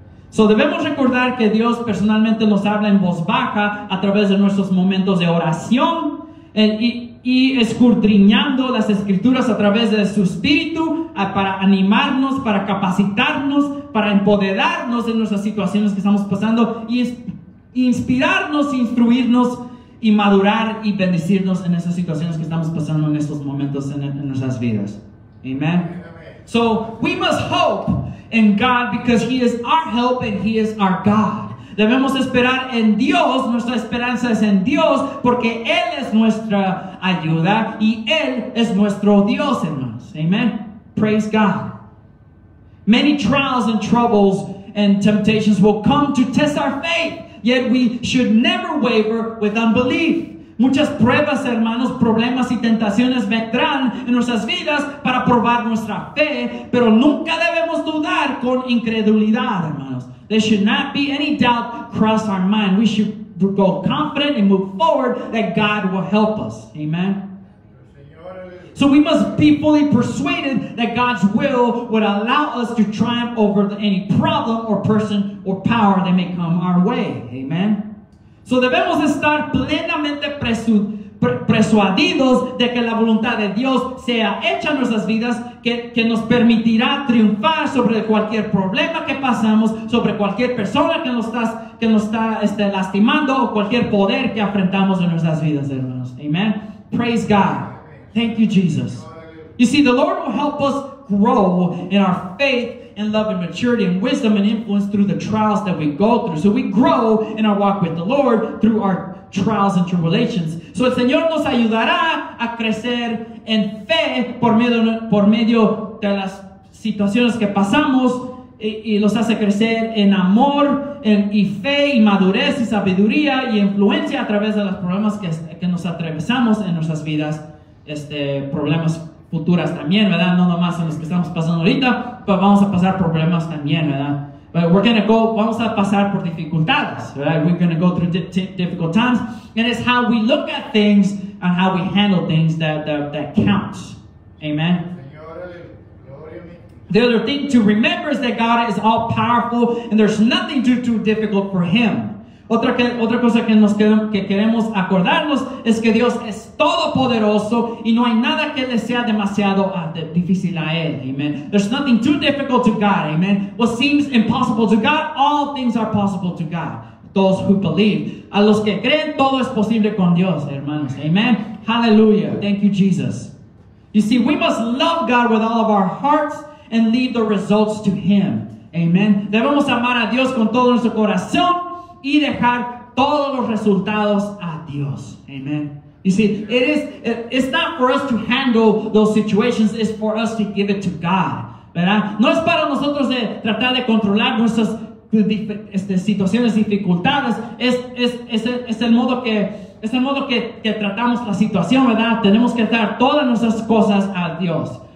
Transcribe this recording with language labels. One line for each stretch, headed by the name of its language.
Spanish: So debemos recordar que Dios personalmente nos habla en voz baja a través de nuestros momentos de oración y escudriñando las escrituras a través de su espíritu para animarnos, para capacitarnos, para empoderarnos en nuestras situaciones que estamos pasando y inspirarnos, instruirnos y madurar y bendecirnos en esas situaciones que estamos pasando en estos momentos en nuestras vidas. Amen.
English: So we must hope in God because He is our help and He is our God.
Spanish: Debemos esperar en Dios, nuestra esperanza es en Dios, porque Él es nuestra ayuda y Él es nuestro Dios, hermanos.
English: Amen. Praise God. Many trials and troubles and temptations will come to test our faith, yet we should never waver with unbelief.
Spanish: Muchas pruebas, hermanos, problemas y tentaciones vendrán en nuestras vidas para probar nuestra fe, pero nunca debemos dudar con incredulidad, hermanos.
English: There should not be any doubt cross our mind. We should go confident and move forward that God will help us. Amen. So we must be fully persuaded that God's will allow us to triumph over any problem or person or power that may come our way. Amen.
Spanish: So debemos estar plenamente persuadidos de que la voluntad de Dios sea hecha en nuestras vidas, que nos permitirá triunfar sobre cualquier problema que pasamos, sobre cualquier persona que nos está lastimando, o cualquier poder que enfrentamos en nuestras vidas, hermanos.
English: Amen. Praise God. Thank you, Jesus. You see, the Lord will help us grow in our faith and love and maturity and wisdom and influence through the trials that we go through. So we grow in our walk with the Lord through our trials and tribulations.
Spanish: So el Señor nos ayudará a crecer en fe por medio de las situaciones que pasamos y los hace crecer en amor y fe y madurez y sabiduría y influencia a través de los problemas que nos atravesamos en nuestras vidas. Problemas futuras también, ¿verdad? No nomás en los que estamos pasando ahorita, pero vamos a pasar problemas también, ¿verdad?
English: But we're going to go,
Spanish: vamos a pasar por dificultades,
English: right? We're going to go through difficult times. And it's how we look at things and how we handle things that counts. Amen. The other thing to remember is that God is all powerful and there's nothing too difficult for Him.
Spanish: Otra cosa que queremos acordarnos es que Dios es todopoderoso y no hay nada que le sea demasiado difícil a Él.
English: Amen. There's nothing too difficult to God. Amen. What seems impossible to God, all things are possible to God. Those who believe.
Spanish: A los que creen, todo es posible con Dios, hermanos.
English: Amen. Hallelujah. Thank you, Jesus. You see, we must love God with all of our hearts and leave the results to Him. Amen.
Spanish: Debemos amar a Dios con todo nuestro corazón y dejar todos los resultados a Dios.
English: Amen. You see, it's not for us to handle those situations, it's for us to give it to God.
Spanish: ¿Verdad? No es para nosotros de tratar de controlar nuestras situaciones dificultades. Es el modo que tratamos la situación, ¿verdad? Tenemos que dar todas nuestras cosas a Dios.